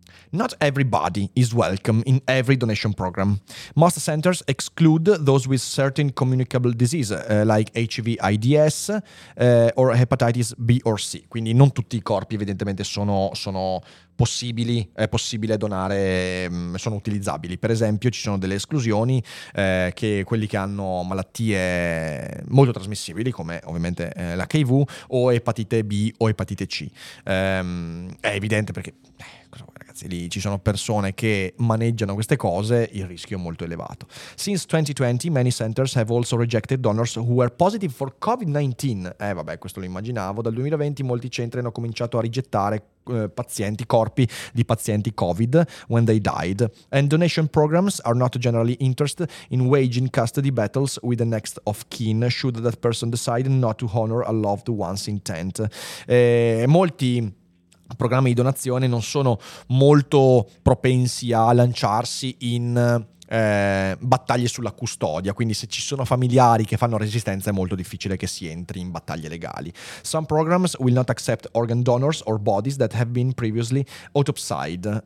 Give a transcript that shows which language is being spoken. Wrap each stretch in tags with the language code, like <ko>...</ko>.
<en>Not everybody is welcome in every donation program. Most centers exclude those with certain communicable diseases, like HIV/AIDS or hepatitis B or C.</en> <it>Quindi non tutti i corpi evidentemente sono possibili, è possibile donare, sono utilizzabili. Per esempio ci sono delle esclusioni che quelli che hanno malattie molto trasmissibili, come ovviamente l'HIV, o epatite B o epatite C. È evidente perché... lì ci sono persone che maneggiano queste cose, il rischio è molto elevato.</it> <en>Since 2020, many centers have also rejected donors who were positive for COVID-19.</en> <it>Vabbè, questo lo immaginavo. Dal 2020 molti centri hanno cominciato a rigettare pazienti, corpi di pazienti COVID</it> <en>when they died. And donation programs are not generally interested in waging custody battles with the next of kin should that person decide not to honor a loved one's intent.</en> <it>Molti programmi di donazione non sono molto propensi a lanciarsi in battaglie sulla custodia, quindi se ci sono familiari che fanno resistenza è molto difficile che si entri in battaglie legali.</it> <en>Some programs will not accept organ donors or bodies that have been previously autopsied.</en>